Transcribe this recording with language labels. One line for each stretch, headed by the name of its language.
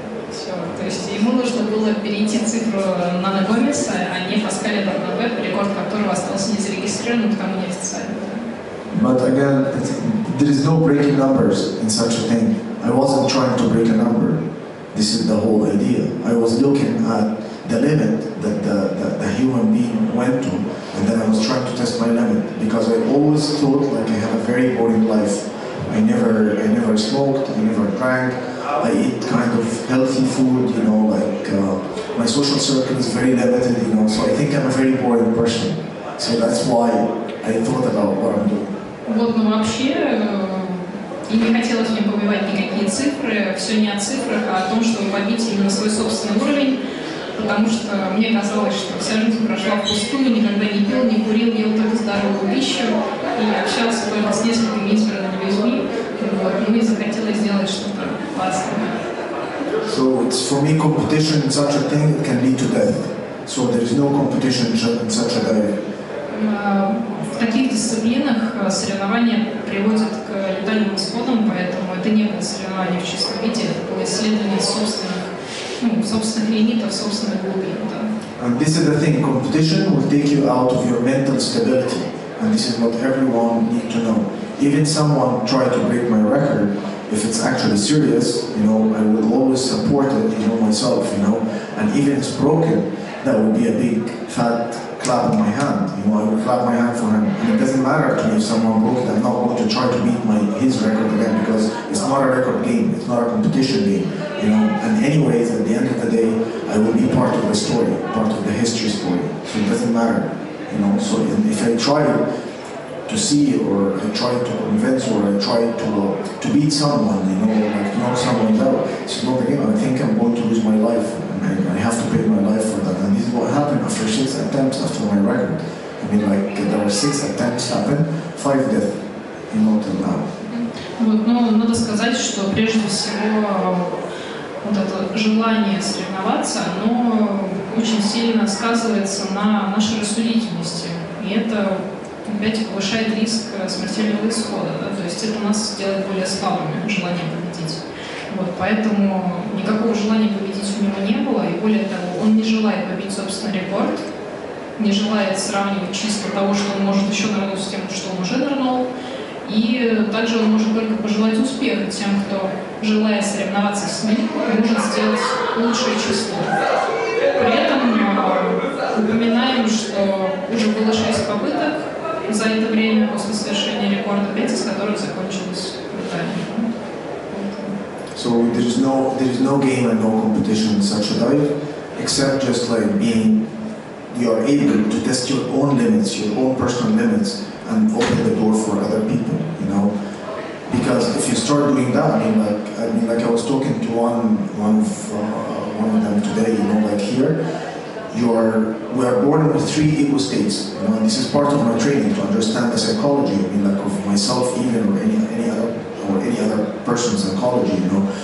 Russian: Все, то есть ему нужно было перейти цифру Нана Гомеса, а не Паскаля Барнабе, рекорд которого остался незарегистрированным, потому неофициально.
English: But again, there is no breaking numbers in such a thing. I wasn't trying to break a number. This is the whole idea. I was looking at the limit that the human being went to, and then I was trying to test my limit because I always thought like I had a very boring life. I never smoked. I never drank. I eat kind of healthy food. You know, like my social circle is very limited. You know, so I think I'm a very boring person. So that's why I thought about what I'm doing.
Russian: Вот, ну вообще, и не хотелось мне побивать никакие цифры, все не о цифрах, а о том, чтобы побить именно свой собственный уровень, потому что мне казалось, что вся жизнь прошла впустую, никогда не пил, не курил, ел только здоровую пищу и общался только с несколькими избранными людьми, вот, но мне захотелось сделать что-то классное.
English: So it's for me competition in such a thing can lead to death. So there is no competition in such a way.
Russian: В таких дисциплинах соревнования приводят к летальным исходам, поэтому это не было соревнование в чистом виде, это было исследование собственных, ну, собственных лимитов, собственных глубин. Да.
English: And this is the thing, competition will take you out of your mental stability. And this is what everyone needs to know. Even someone tried to break my record, if it's actually serious, you know, I will always support it, you know, myself, you know. And even if it's broken, that would be a big fat clap on my hand, you know, I would clap my hand for him. And it doesn't matter to me if someone broke it, I'm not going to try to beat my his record again, because it's not a record game, it's not a competition game, you know. And anyways, at the end of the day, I will be part of the story, part of the history story, so it doesn't matter, you know. So if I try to see, or I try to convince, or I try to beat someone, you know, like knock someone out, it's not the game. I think I'm going to lose my life, and I have to pay my life for that. And this is what happened after 6 attempts after my record. I mean, like, there were 6 attempts happened, 5 death, you know, till now.
Russian: Вот, ну, надо сказать, что прежде всего вот это желание соревноваться, оно очень сильно сказывается на нашей рассудительности. И это опять повышает риск смертельного исхода, да? То есть это нас делает более слабыми, желание победить. Вот, поэтому никакого желания победить у него не было, и более того, он не желает побить собственный рекорд, не желает сравнивать чисто того, что он может еще нырнуть, с тем, что он уже нырнул. И также он может только пожелать успеха тем, кто, желая соревноваться с ним, может сделать лучшее число. При этом упоминаем, что уже было 6 попыток за это время после совершения рекорда, 5 из которых закончилось пытание.
English: So there is no game and no competition in such a dive, except just like being, you are able to test your own limits, your own personal limits, and open the door for other people, you know. Because if you start doing that, I mean like I was talking to one of them today, you know, like here, we are born with 3 ego states, you know, and this is part of my training to understand the psychology, I mean, like of myself even or any other person's psychology, you know.